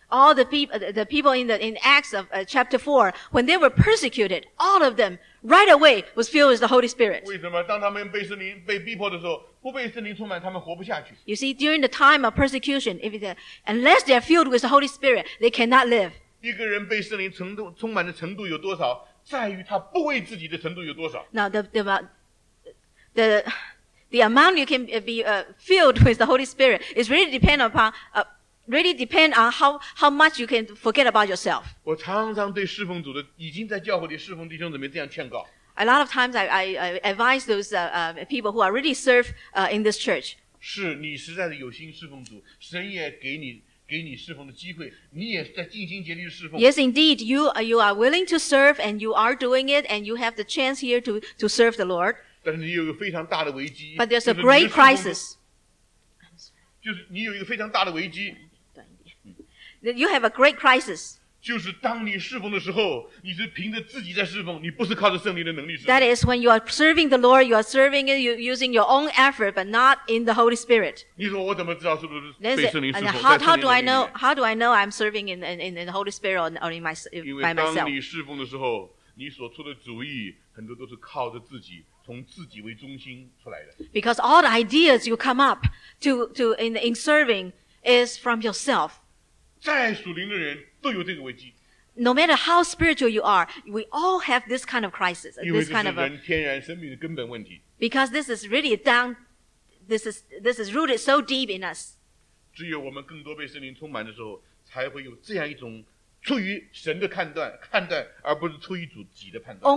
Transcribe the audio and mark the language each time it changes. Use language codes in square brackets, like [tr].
[en] All the people in Acts of chapter 4, when they were persecuted, all of them, right away, was filled with the Holy Spirit. [zh] 为什么当他们被圣灵被逼迫的时候不被圣灵充满他们活不下去。 [en] You see, during the time of persecution, unless they are filled with the Holy Spirit, they cannot live. [zh] 一个人被圣灵充满的程度有多少在于他不为自己的程度有多少。 [en] Now, the amount you can be filled with the Holy Spirit is really dependent upon really depend on how much you can forget about yourself. [zh] 我常常对侍奉主的已经在教会里侍奉弟兄姊妹这样劝告。 [en] A lot of times I advise those people who are really serve in this church. [zh] 是你实在是有心侍奉主，神也给你侍奉的机会，你也在尽心竭力侍奉。 [en] Yes, indeed, you are willing to serve and you are doing it and you have the chance here to serve the Lord. [zh] 但是你有一个非常大的危机。 [en] But there's a great crisis. [zh] 就是你有一个非常大的危机。 [en] You have a great crisis. [zh] 就是当你侍奉的时候，你是凭着自己在侍奉，你不是靠着圣灵的能力侍奉。 [en] That is when you are serving the Lord, you are serving it using your own effort, but not in the Holy Spirit. [zh] 你说我怎么知道是不是被圣灵侍奉？在圣灵里面。 [en] How do I know I'm serving in the Holy Spirit or in myself? [zh] 因为当你侍奉的时候，你所出的主意很多都是靠着自己。从自己为中心出来的。 [en] Because all the ideas you come up to in serving is from yourself. [zh] 再属灵的人都有这个危机。 [en] No matter how spiritual you are, we all have this kind of crisis. [zh] 因为这是人天然生命的根本问题。 [en] Because this is really down, this is rooted so deep in us. [zh] 只有我们更多被圣灵充满的时候，才会有这样一种。出于神的判断而不是出于主己的判断。